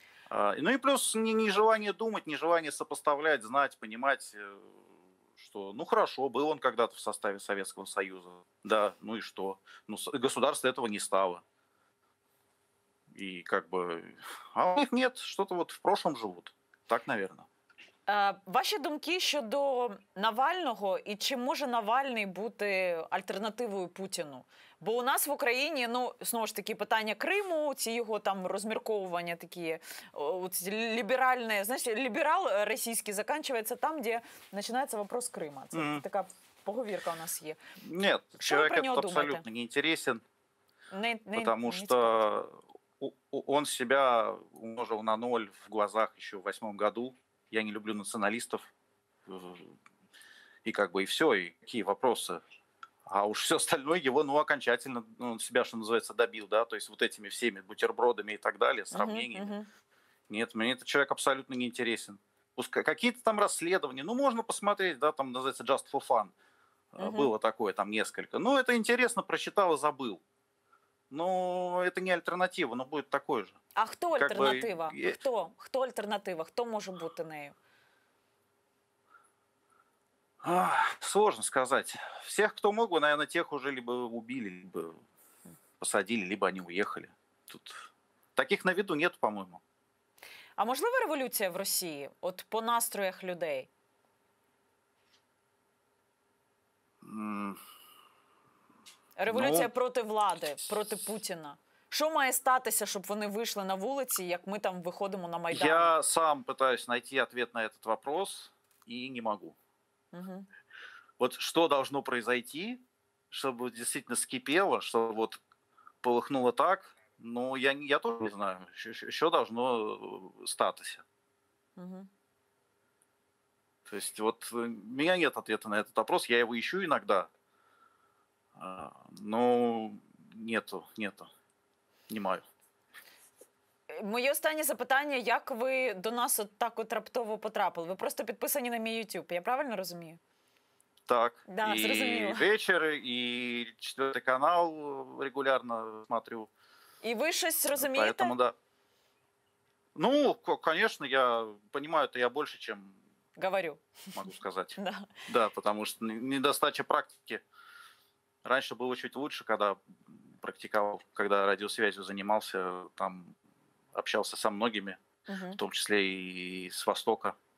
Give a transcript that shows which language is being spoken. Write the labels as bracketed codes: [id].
[ru] Ну и плюс нежелание думать, нежелание сопоставлять, знать, понимать... Что, ну хорошо, был он когда-то в составе Советского Союза, да, ну и что? Ну, государство этого не стало. И как бы, а у них нет, что-то вот в прошлом живут, так, наверное. [uk] Ваші думки щодо Навального і чи може Навальний бути альтернативою Путіну? Бо у нас в Україні, ну, знову ж таки, питання Криму, ці його там розмірковування такі, от ліберальне, знаєш, ліберал російський закінчується там, де починається питання Криму. Це така поговірка у нас є. Ні, чоловік абсолютно не інтересен, тому що він себе [ru] умножив на ноль в глазах [uk] ще в 2008 году. Я не люблю націоналістів. І як би, і все, і які питання. [ru] А уж все остальное его, ну, окончательно, ну, себя, что называется, добил, да, то есть вот этими всеми бутербродами и так далее, сравнениями. Нет, мне этот человек абсолютно не интересен. Какие-то там расследования, ну, можно посмотреть, да, там называется Just for Fun. Было такое там несколько. Ну, это интересно, прочитал и забыл. Но это не альтернатива, но будет такое же. А кто альтернатива? Как бы... Кто? Кто альтернатива? Кто может быть нею? Сложно сказать. Всех, кто мог бы, наверное, тех уже либо убили, либо посадили, либо они уехали. Тут таких на виду нет, по-моему. А можливо революція в Росії? От по настроях людей? Революція проти влади, проти Путіна. Що має статися, щоб вони вийшли на вулиці, як ми там виходимо на Майдан? Я сам пытаюсь найти ответ на этот вопрос и не могу. Вот что должно произойти, чтобы действительно скипело, чтобы вот полыхнуло так, ну, я тоже не знаю, что должно [uk] статися. [ru] То есть вот у меня нет ответа на этот вопрос, я его ищу иногда, но нету, [uk] не маю. Моє останнє запитання, як ви до нас от так от раптово потрапили? Ви просто підписані на мій YouTube, я правильно розумію? Так, [ru] да, [uk] і вечір, і четвертий канал регулярно [ru] смотрю. [uk] І ви щось розумієте? [ru] Поэтому, да. Ну, конечно, я понимаю, это я больше, чем... Говорю. Могу сказать. Да. Да, потому что недостача практики. Раньше было чуть лучше, когда практиковал, когда радиосвязью занимался, там общался со многими, в том числе и с Востока.